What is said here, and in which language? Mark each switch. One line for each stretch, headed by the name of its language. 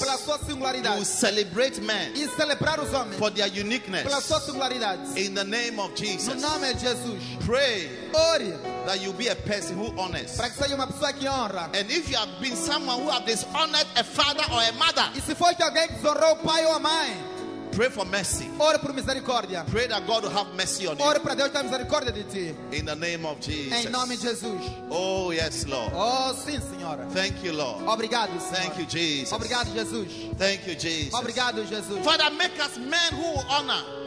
Portuguese: Pela sua singularidade.
English: You will celebrate men.
Portuguese: E celebrar os homens.
English: For their uniqueness.
Portuguese: Pela sua singularidade.
English: In the name of Jesus.
Portuguese: No nome de Jesus.
English: Pray.
Portuguese: Ore.
English: That you be a person who honors.
Portuguese: Para que seja uma pessoa que honra.
English: And if you have been someone who have dishonored a father or a mother,
Portuguese: e se foi alguém que desonrou pai ou mãe,
English: pray for mercy.
Portuguese: Ore por misericórdia.
English: Pray that God will have mercy on you.
Portuguese: Ore para Deus ter misericórdia de ti.
English: In the name of Jesus.
Portuguese: Em nome de Jesus.
English: Oh yes, Lord.
Portuguese: Oh sim, Senhora.
English: Thank you, Lord.
Portuguese: Obrigado, Senhor.
English: Thank you, Jesus.
Portuguese: Obrigado, Jesus.
English: Thank you, Jesus.
Portuguese: Obrigado, Jesus.
English: Father, make us men who honor.